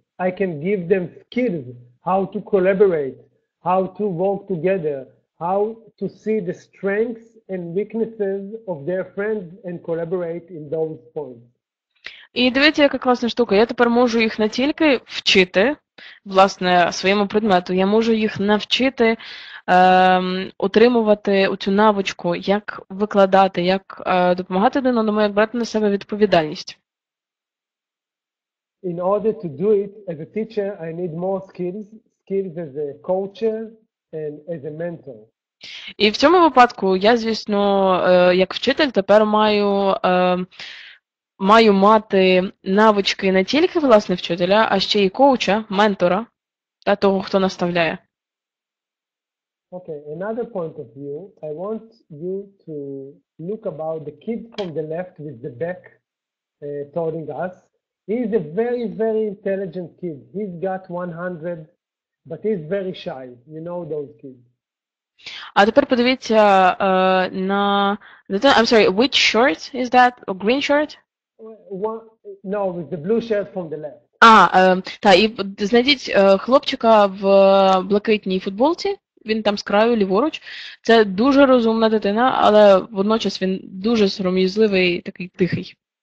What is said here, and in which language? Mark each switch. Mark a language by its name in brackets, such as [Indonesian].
[English] I can give them skills, how to collaborate, how to work together, how to see the strengths and weaknesses of their friends and collaborate in those points. [Ukrainian] І дивіться, яка класна штука. Я тепер можу їх не тільки вчити, власне, своєму предмету, я можу їх навчити отримувати оцю навичку, як викладати, як допомагати один одному, як брати на себе відповідальність. [English] In order to do it, as a teacher, I need more skills, skills as a coacher and as a mentor. [Ukrainian] І в цьому випадку я, звісно, як вчитель тепер маю маю мати навички не тільки власне вчителя, а ще й коуча, ментора, та того, хто наставляє. [English] Okay, another point of view, I want you to look about the kid from the left with the back toward us. He's a very, very intelligent kid. He's got 100, but he's very shy. You know those kids. [Ukrainian] А тепер подивіться на... [English] I'm sorry, which shirt is that? A green shirt? No, with the blue shirt from the left. [Ukrainian] Так, і знайдіть хлопчика в блакитній футболці. Він там з краю ліворуч. Це дуже розумна дитина, але водночас він дуже сором'язливий і такий тихий.